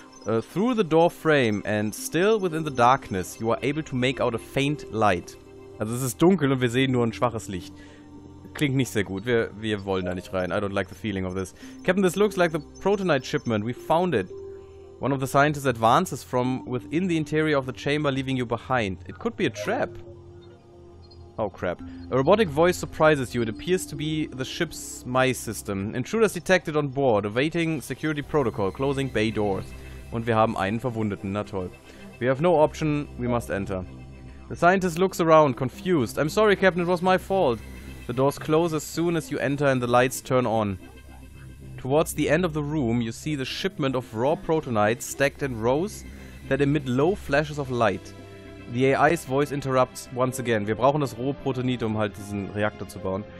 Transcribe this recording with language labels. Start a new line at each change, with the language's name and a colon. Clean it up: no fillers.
English: Through the door frame and still within the darkness, you are able to make out a faint light.
German: Also, es ist dunkel und wir sehen nur ein schwaches Licht. Klingt nicht sehr gut. Wir wollen da nicht rein.
English: I don't like the feeling of this. Captain, this looks like the protonite shipment. We found it. One of the scientists advances from within the interior of the chamber, leaving you behind. It could be a trap. Oh crap. A robotic voice surprises you. It appears to be the ship's MI system. Intruders detected on board. Awaiting security protocol. Closing bay doors.
German: Und wir haben einen Verwundeten. Na toll.
English: We have no option. We must enter. The scientist looks around, confused. I'm sorry, Captain. It was my fault. The doors close as soon as you enter and the lights turn on. Towards the end of the room, you see the shipment of raw protonites stacked in rows that emit low flashes of light. The AI's voice interrupts once again.
German: Wir brauchen das rohe Protonit, um halt diesen Reaktor zu bauen.